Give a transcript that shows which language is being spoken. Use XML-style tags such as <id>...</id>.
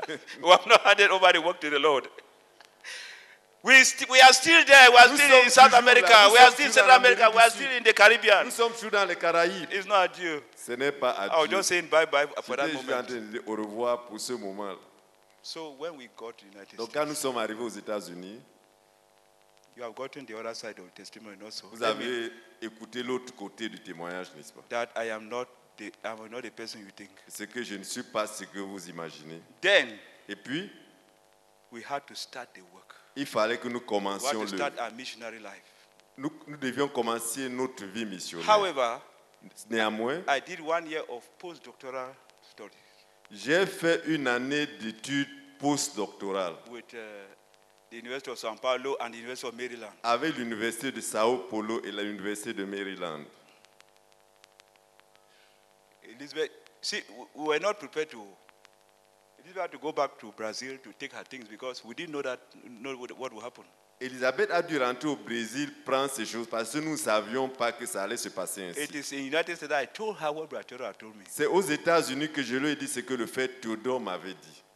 <en>We have not handed over the work to the Lord. We are still there. We are still in South America. We are still in Central America. We are still in the Caribbean.</en> <fr>Nous sommes toujours dans les Caraïbes.</fr> <en>It's not adieu.</en> <fr>Ce n'est pas adieu.</fr> <en>I was just saying bye bye for that moment.</en> <fr>J'étais juste en train de dire au revoir pour ce moment.</fr> <en>So when we got to the United States.</en> <fr>Donc quand nous sommes arrivés aux États-Unis,</fr> <en>you have gotten the other side of the testimony, not so.</en> <fr>Vous avez écouté l'autre côté du témoignage, n'est-ce pas?</fr> <en>That I am not the person you think.</en> <fr>C'est que je ne suis pas ce que vous imaginez.</fr> <en>Then.</en> <fr>Et puis,</fr> <en>we had to start the work.</en> <fr>Il fallait que nous commencions</fr> <en>to start our missionary life.</en> <fr>Nous devions commencer notre vie missionnaire.</fr> <en>However,</en> <fr>néanmoins,</fr> <en>I did 1 year of postdoctoral studies.</en> <fr>J'ai fait une année d'études postdoctorales.</fr> <en>With the University of São Paulo and the University of Maryland.</en> <fr>Avec l'Université de São Paulo et l'Université de Maryland.</fr> <en>Elizabeth, see, we were not prepared to. Elizabeth had to go back to Brazil to take her things because we didn't know that, know what would happen.</en> <fr>Elizabeth a dû rentrer au Brésil prendre ses choses parce que nous ne savions pas que ça allait se passer ainsi.</fr> <en>It is in United States that I told her what Brother had told me.</en> <fr>C'est aux États-Unis que je lui ai dit ce que le frère Tudor m'avait dit.</fr>